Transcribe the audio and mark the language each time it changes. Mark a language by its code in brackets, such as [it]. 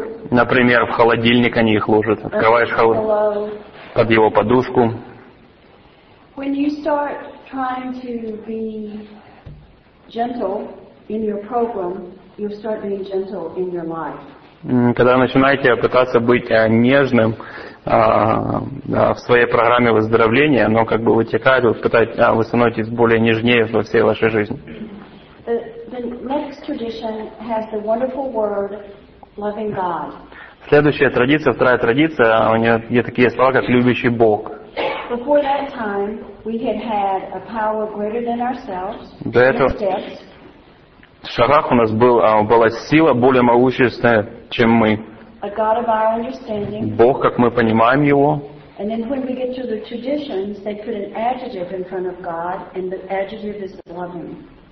[ru] Например, в холодильник они их ложат. Открываешь под его подушку. [en] When you start trying to be gentle in your program, you start being gentle in your life. [ru] Когда начинаете пытаться быть нежным в своей программе выздоровления, оно как бы вытекает, вы становитесь более нежнее во всей вашей жизни. [en] The next tradition has the wonderful word loving God. [ru] Следующая традиция, вторая традиция, у нее есть такие слова, как любящий Бог. [en] Before that time, we had had a power greater than ourselves. [ru] До этого в шарах у нас была сила более могущественная, чем мы. [en] A God of our understanding. [ru] Бог, как мы понимаем его. [en] And then when we get to the traditions, they put an adjective in front of God, and the adjective is loving.